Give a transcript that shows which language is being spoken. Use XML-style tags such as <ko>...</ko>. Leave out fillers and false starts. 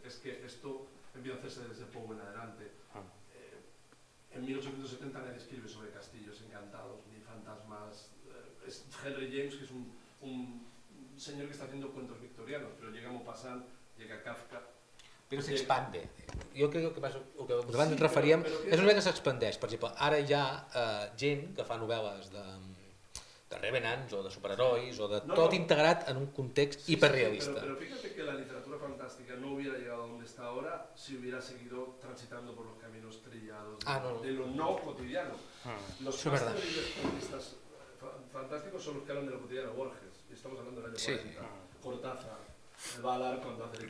<es>Es que esto empieza a hacerse desde Poe en adelante. En 1870 nadie escribe sobre castillos encantados ni fantasmas. Es Henry James, que es un señor que está haciendo cuentos victorianos, pero llega Maupassant, llega Kafka.</es> <ca>Però s'expande. Jo crec que el que abans ens referíem és una mica que s'expandeix. Per exemple, ara hi ha gent que fa novel·les de revenants o de superherois o de tot integrat en un context hiperrealista.</ca> <es>Sí, però fíjate que la literatura fantàstica no hubiera llegado donde está ahora si hubiera seguido transitando por los caminos trillados de lo no cotidiano. Los más terribles fantistas fantásticos son los que hablan de lo cotidiano, Borges. Estamos hablando del año 40. Cortázar. El Valar, cuando hace el</es>